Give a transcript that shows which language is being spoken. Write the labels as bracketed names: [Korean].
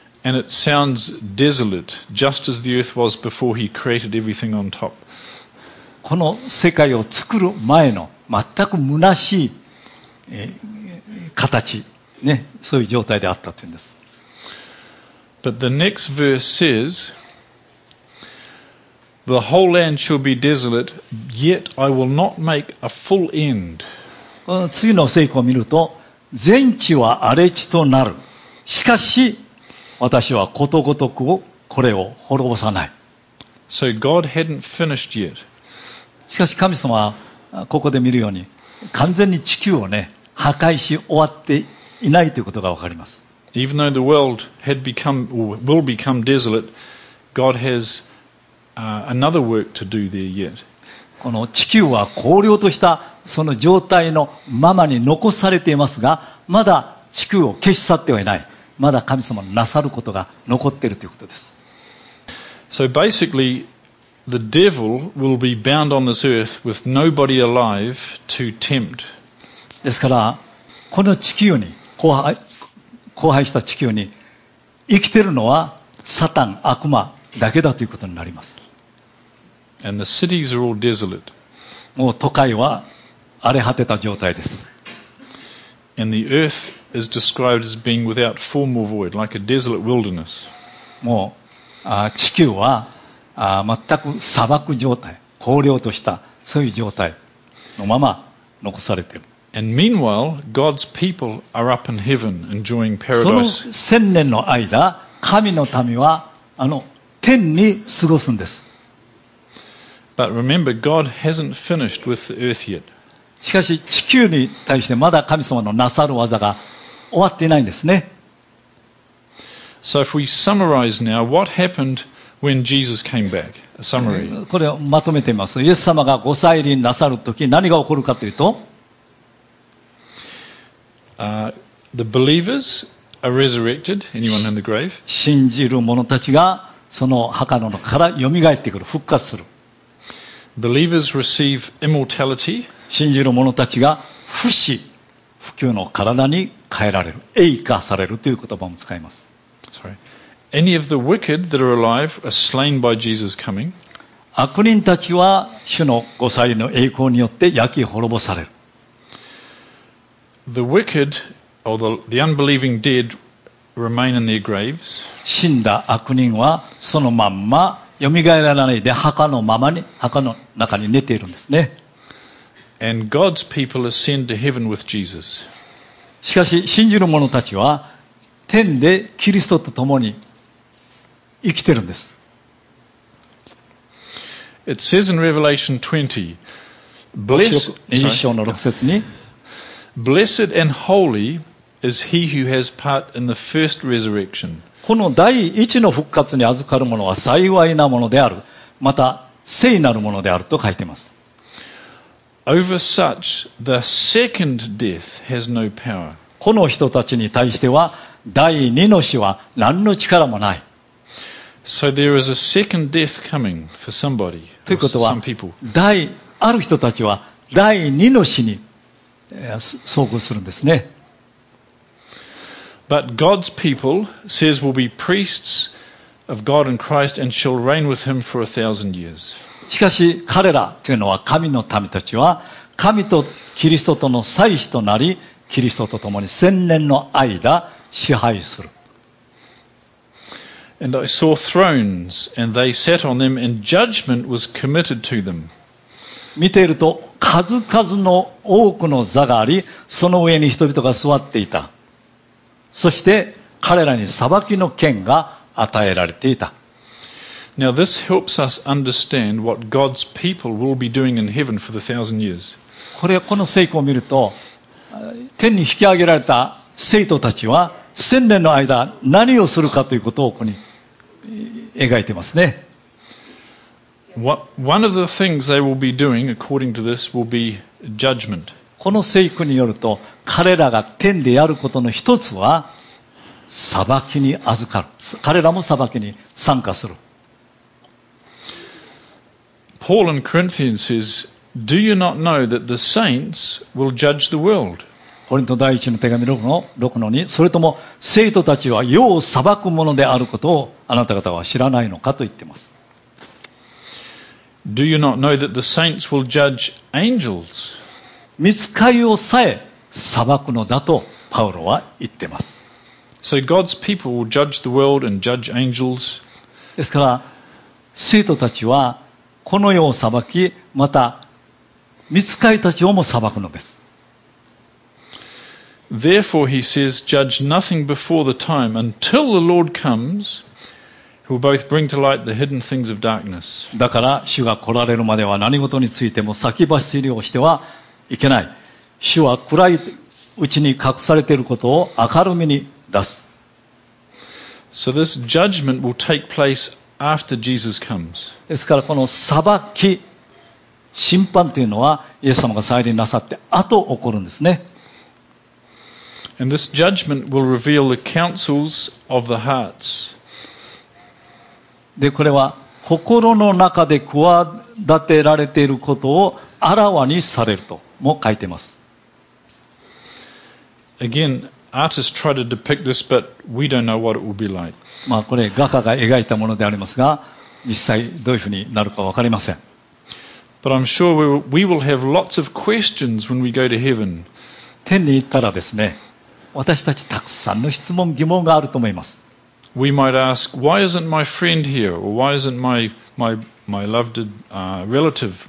[English] And it sounds desolate, just as the earth was before he created everything on top. [Japanese] この世界を作る前の全く虚しい、形、ね、そういう状態であったというんです。 [English] But the next verse says, The whole land shall be desolate, yet I will not make a full end. [Japanese] この次の聖句を見ると、全地は荒れ地となる。しかし、私はことごとくをこれを滅ぼさない。 [English] So、God hadn't finished yet. [Japanese] しかし神様はここで見るように完全に地球を、ね、破壊し終わっていないということがわかります。 [English] Even though the world had become, or will become desolate, God has another work to do there yet. [Japanese] この地球は荒涼としたその状態のままに残されていますが、まだ地球を消し去ってはいない。まだ神様のなさることが残っているということです。 [English] So basically, the devil will be bound on this earth with nobody alive to tempt. [Japanese] ですから、この地球に、荒廃した地球に生きているのはサタン、悪魔だけだということになります。 [English] And the cities are all desolate. [Japanese] もう都会は荒れ果てた状態です。 [English] And the earth is described as being without form or void, like a desolate wilderness. [Japanese] もう地球は全く砂漠状態、荒涼としたそういう状態のまま残されている。 [English] And meanwhile, God's people are up in heaven enjoying paradise. [Japanese] その千年の間、神の民は天に過ごすんです。 [English] But remember, God hasn't finished with the earth yet. [Japanese] しかし地球に対してまだ神様のなさる技が終わっていないんですね。 [English] So if we summarize now, what happened when Jesus came back? A summary. [Japanese] これをまとめてみます。イエス様がご再臨なさるとき何が起こるかというと、 [English] the believers are resurrected. Anyone in the grave? [Japanese] 信じる者たちがその墓の中から蘇ってくる、復活する。 [English] Believers receive immortality. [Japanese] 信じる者たちが不死不朽の体に変えられる、栄華されるという言葉も使います。 [English] Sorry. Any of the wicked that are alive are slain by Jesus coming. [Japanese] 悪人たちは主のご再臨の栄光によって焼き滅ぼされる。 [English] The wicked or the unbelieving dead remain in their graves. [Japanese] 死んだ悪人はそのまんま蘇らないで墓のままに、墓の中に寝ているんですね。 [English] And God's people ascend to heaven with Jesus. [Japanese] しかし信じる者たちは天でキリストと共に生きているんです。 [English] It says in Revelation 20, Blessed, [Japanese] 20章の6節に、 [English] Blessed and holy is he who has part in the first resurrection. [Japanese] この第一の復活に預かる者は幸いなものである、また聖なる者であると書いています。 [English] Over such, the second death has no power. [Japanese] この人たちに対しては第二の死は何の力もない。 [English] So there is a second death coming for somebody. [Japanese] ということは、ある人たちは第二の死に遭遇するんですね。 [English] But God's people, says, will be priests of God and Christ and shall reign with him for 1,000 years. [Japanese] しかし彼らというのは神の民たちは神とキリストとの祭司となりキリストと共に千年の間支配する。 [English] And I saw thrones, and they sat on them, and judgment was committed to them. [Japanese] 見ていると数々の多くの座があり、その上に人々が座っていた。そして彼らに裁きの権が与えられていた。 [English] Now this helps us understand what God's people will be doing in heaven for the 1,000 years. [Japanese] これこの聖句を見ると、天に引き上げられた聖徒たちは千年の間何をするかということをここに描いてますね。 [English] One of the things they will be doing, according to this, will be judgment. [Japanese] この聖句によると、彼らが天でやることの一つは裁きに預かる。彼らも裁きに参加する。 [English] Paul in Corinthians says, "Do you not know that the saints will judge the world?" [Japanese] コリント第1の手紙6-2、それとも聖徒たちは世を裁くものであることをあなた方は知らないのかと言っています。 [English] Do you not know that the saints will judge angels? [Japanese] 御使いをさえ裁くのだとパウロは言っています。 [English] So God's people will judge the world and judge angels. [Japanese] ですから聖徒たちはこの世を裁き、また御使いたちをも裁くのです。 [English] Therefore, he says, judge nothing before the time until the Lord comes, who will both bring to light the hidden things of darkness. [Japanese] だから主が来られるまでは何事についても先走りをしてはいけない。主は暗いうちに隠されていることを明るみに出す。 [English] So this judgment will take place after Jesus comes. [Japanese] ですからこの裁き、審判というのはイエス様が再臨なさって後起こるんですね。 [English] And this judgment will reveal the counsels of the hearts. [Japanese] で、これは心の中で企てられていることをあらわにされるとも書いてます。 [English] Again, artists try to depict this, but we don't know what it will be like. [Japanese] まあ、これ画家が描いたものでありますが、実際どういうふうになるかわかりません。 [English] But I'm sure we will have lots of questions when we go to heaven. [Japanese] 天に行ったらですね、私たちたくさんの質問疑問があると思います。 [English] We might ask, why isn't my friend here? Or why isn't my loved relative?